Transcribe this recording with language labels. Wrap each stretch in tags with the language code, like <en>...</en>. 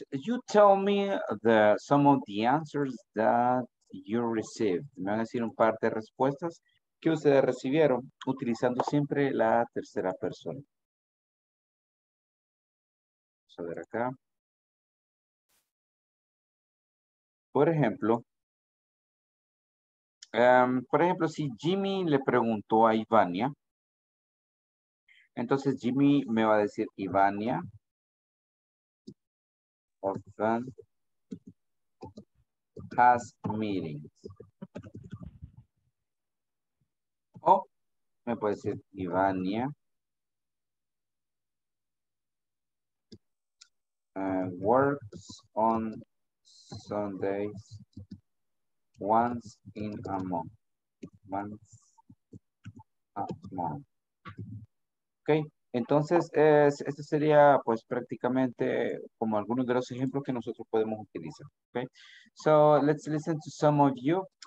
<en>You tell me the some of the answers that you received.</en> <es>Me van a decir un par de respuestas que ustedes recibieron utilizando siempre la tercera persona. Vamos a ver acá. Por ejemplo, si Jimmy le preguntó a Ivania, entonces Jimmy me va a decir Ivania,</es> <en>often has meetings.</en> <es>O me puede decir Ivania,</es> <en>works on Sundays once in a month.</en> <es>Ok, entonces esto sería pues prácticamente como algunos de los ejemplos que nosotros podemos utilizar.</es> <en>Ok, so let's listen to some of you.</en>